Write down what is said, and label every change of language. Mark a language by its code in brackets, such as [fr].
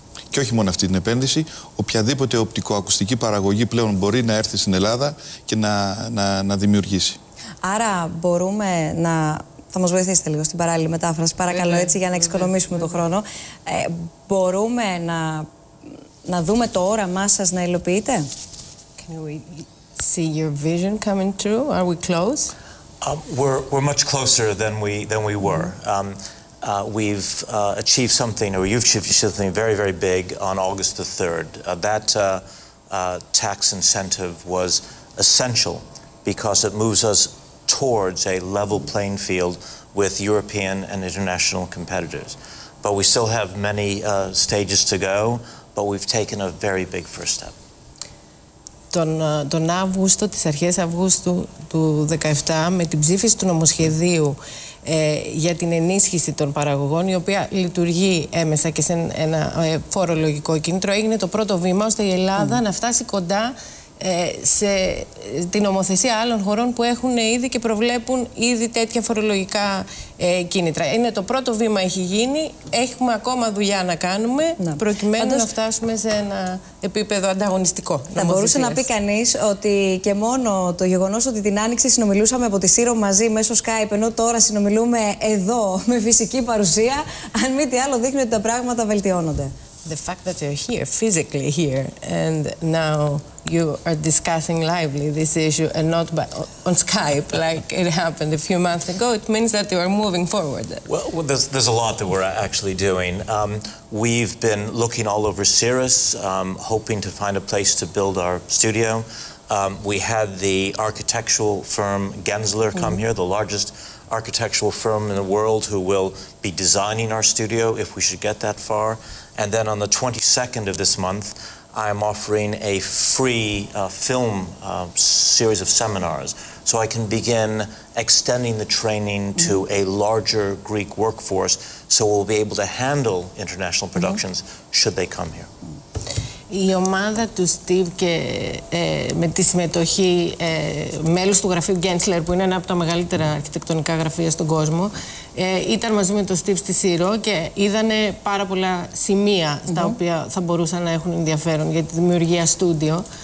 [el] Και όχι μόνο αυτή την επένδυση, οποιαδήποτε οπτικοακουστική παραγωγή πλέον μπορεί να έρθει στην Ελλάδα και να δημιουργήσει. Άρα μπορούμε να... Θα μας βοηθήσετε λίγο στην παράλληλη μετάφραση, παρακαλώ, έτσι για να εξοικονομήσουμε τον χρόνο. Μπορούμε να δούμε το όραμά σας να υλοποιείτε. [en] Can we see your vision coming true? Are we close? We're much closer than we were. We've achieved something, or you've achieved something very, very big on August the 3rd. That tax incentive was essential because it moves us towards a level playing field with European and international competitors. But we still have many stages to go, but we've taken a very big first step. [el] Τον Αύγουστο, τις αρχές Αυγούστου του 17, με την ψήφιση του νομοσχεδίου για την ενίσχυση των παραγωγών, η οποία λειτουργεί έμεσα και σε ένα φορολογικό κίνητρο, έγινε το πρώτο βήμα ώστε η Ελλάδα να φτάσει κοντά σε την νομοθεσία άλλων χωρών που έχουν ήδη και προβλέπουν ήδη τέτοια φορολογικά κίνητρα. Είναι το πρώτο βήμα, έχει γίνει. Έχουμε ακόμα δουλειά να κάνουμε προκειμένου να φτάσουμε σε ένα επίπεδο ανταγωνιστικό. Θα μπορούσε να πει κανείς ότι και μόνο το γεγονός ότι την άνοιξη συνομιλούσαμε από τη Σύρο μαζί μέσω Skype, ενώ τώρα συνομιλούμε εδώ με φυσική παρουσία, αν μη τι άλλο δείχνει ότι τα πράγματα βελτιώνονται. [en] The fact that you're here, physically here, and now you are discussing lively this issue and not by, on Skype like it happened a few months ago, it means that you are moving forward. Well there's a lot that we're actually doing. We've been looking all over Cirrus, hoping to find a place to build our studio. We had the architectural firm Gensler come here, the largest architectural firm in the world, who will be designing our studio if we should get that far. And then on the 22nd of this month, I am offering a free film series of seminars, so I can begin extending the training to a larger Greek workforce, so we'll be able to handle international productions should they come here. [el] Η ομάδα του Steve και με τη συμμετοχή μέλους του γραφείου Gensler, που είναι ένα από τα μεγαλύτερα αρχιτεκτονικά γραφεία στον κόσμο, ήταν μαζί με τον Steve στη Σύρο και είδανε πάρα πολλά σημεία στα οποία θα μπορούσαν να έχουν ενδιαφέρον για τη δημιουργία στούντιο.